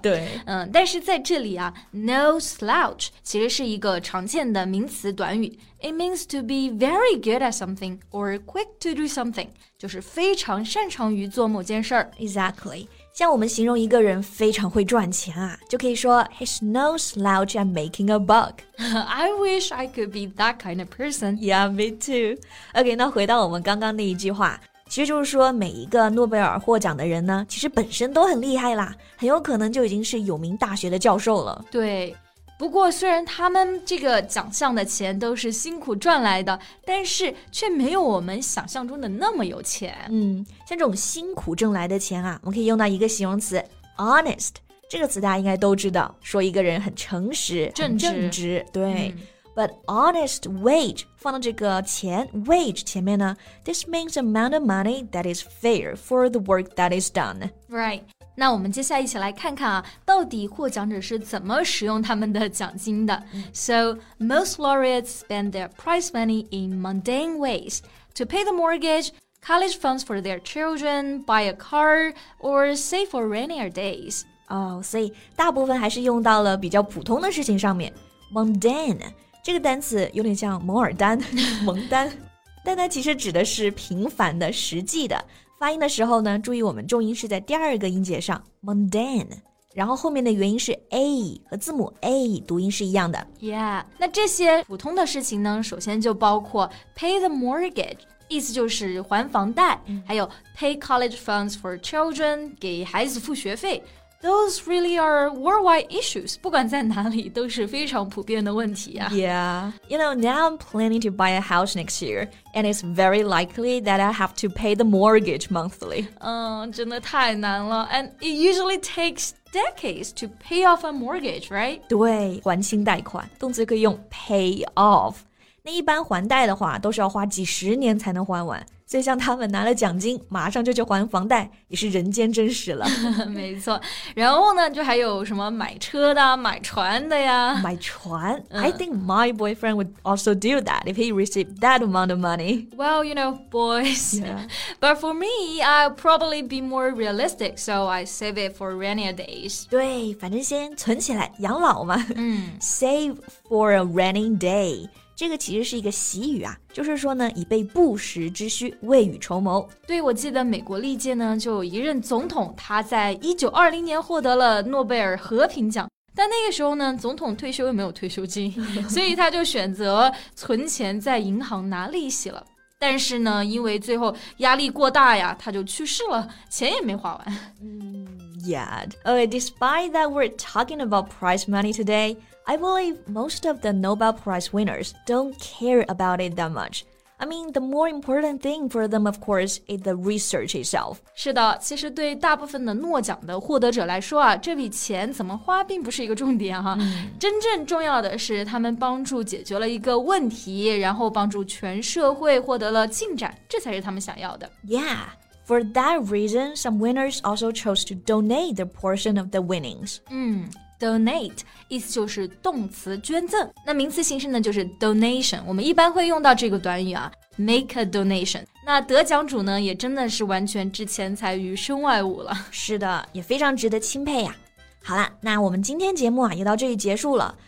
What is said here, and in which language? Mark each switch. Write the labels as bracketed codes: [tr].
[zh] 对。但是在这里啊 ,no slouch 其实是一个常见的名词短语。 [en] It means to be very good at something or quick to do something, [zh] 就是非常擅长于做某件事儿。 [en] Exactly. [zh] 像我们形容一个人非常会赚钱啊就可以说 [en] he's no slouch at making a buck. I wish I could be that kind of person. Yeah, me too. [zh] OK, 那回到我们刚刚那一句话其实就是说每一个诺贝尔获奖的人呢其实本身都很厉害啦很有可能就已经是有名大学的教授了。对。不过虽然他们这个奖项的钱都是辛苦赚来的但是却没有我们想象中的那么有钱。像这种辛苦挣来的钱啊我们可以用到一个形容词 honest。这个词大家应该都知道说一个人很诚实正直。正直对。 [en] But honest wage, [zh] 放到这个钱 [en] wage [zh] 前面呢 [en] this means amount of money that is fair for the work that is done. Right. [zh] 那我们接下来一起来看看啊到底获奖者是怎么使用他们的奖金的。 [en] So, most laureates spend their prize money in mundane ways. To pay the mortgage, college funds for their children, buy a car, or save for rainier days. [zh] 哦、oh, 所以大部分还是用到了比较普通的事情上面。 Mundane, 这个单词有点像蒙尔丹蒙丹。但它其实指的是平凡的实际的。发音的时候呢注意我们重音是在第二个音节上 mundane 然后后面的元音是 a 和字母 a 读音是一样的 Yeah 那这些普通的事情呢首先就包括 [en] pay the mortgage [zh] 意思就是还房贷、还有 [en] pay college funds for children [zh] 给孩子付学费 [en] Those really are worldwide issues [zh] 不管在哪里都是非常普遍的问题啊 [en] Yeah You know now I'm planning to buy a house next yearAnd it's very likely that I have to pay the mortgage monthly. [zh] 真的太难了。 [en] And it usually takes decades to pay off a mortgage, right? [zh] 对，还清贷款，动词可以用 pay off。那一般还贷的话，都是要花几十年才能还完。所以像他们拿了奖金，马上就去还房贷，也是人间真实了。没错。然后呢，就还有什么买车的、买船的呀。买船、 [en] I think my boyfriend would also do that if he received that amount of money. Well, you know, boys.、 Yeah. But for me, I'll probably be more realistic, so I save it for rainier days. [zh] 对，反正先存起来，养老嘛。嗯、 [en] Save for a rainy day. [zh] 这个其实是一个习语啊就是说呢以备不时之需未雨绸缪。对我记得美国历届呢就有一任总统他在1920年获得了诺贝尔和平奖。但那个时候呢总统退休又没有退休金所以他就选择存钱在银行拿利息了。但是呢因为最后压力过大呀他就去世了钱也没花完。 [en] Yet. Okay, despite that we're talking about prize money today, I believe most of the Nobel Prize winners don't care about it that much. I mean, the more important thing for them, of course, is the research itself. [zh] 是的，其实对大部分的诺奖的获得者来说啊，这笔钱怎么花并不是一个重点哈。真正重要的是他们帮助解决了一个问题，然后帮助全社会获得了进展，这才是他们想要的。 [en] Yeah. For that reason, some winners also chose to donate their portion of the winnings. [zh] Donate, 意思就是动词捐赠。那名词形式呢就是 donation, 我们一般会用到这个短语啊 , [en] make a donation. [zh] 那得奖主呢也真的是完全置钱财于身外物了。是的也非常值得钦佩啊。好啦那我们今天节目啊也到这里结束了。